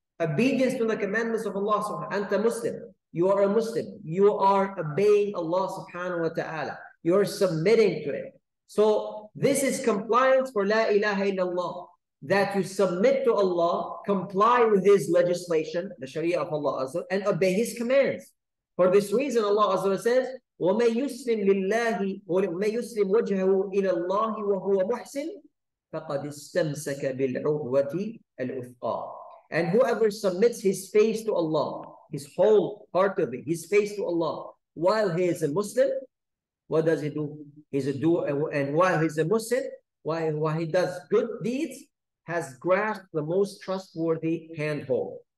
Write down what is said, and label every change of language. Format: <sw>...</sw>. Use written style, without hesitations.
<en>Obedience to the commandments of Allah subhanahu wa ta'ala.</en> <ar>Anta Muslim.</ar> <en>You are a Muslim. You are obeying Allah subhanahu wa ta'ala. You are submitting to it. So this is compliance for La ilaha illallah. That you submit to Allah, comply with His legislation, the Sharia of Allah Azza, and obey His commands. For this reason, Allah Azza wa says,</en> <ar>وَمَنْ يُسْلِمْ لِلَّهِ وَمَنْ يُسْلِمْ وَجْهَهُ إِلَى اللَّهِ وَهُوَ مُحْسِنْ فَقَدْ اسْتَمْسَكَ بِالْعُرْوَةِ الْعُثْقَى.</ar> <en>And whoever submits his face to Allah, his whole part of it, his face to Allah, while he is a Muslim, what does he do? He's a doer, and while he's a Muslim, while he does good deeds, has grasped the most trustworthy handhold.</en>